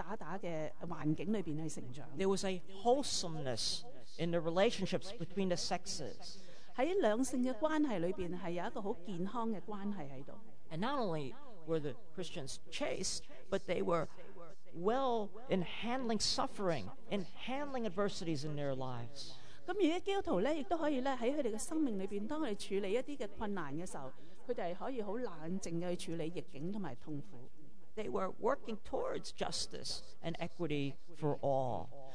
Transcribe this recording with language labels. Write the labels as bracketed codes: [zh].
[zh] 這些小孩可以在一個很健康的家庭去成長,不是在一個經常吵吵打打的環境裡面去成長。 [en] There was a wholesomeness in the relationships between the sexes. [zh] 在兩性的關係裡面是有一個很健康的關係在這裡。 [en] And not only were the Christians chaste, but they were well in handling suffering, in handling adversities in their lives. [zh] 而基督徒亦可以在他們的生命裏面,當他們處理一些困難的時候,他們可以很冷靜地去處理逆境和痛苦。 [en] They were working towards justice and equity for all.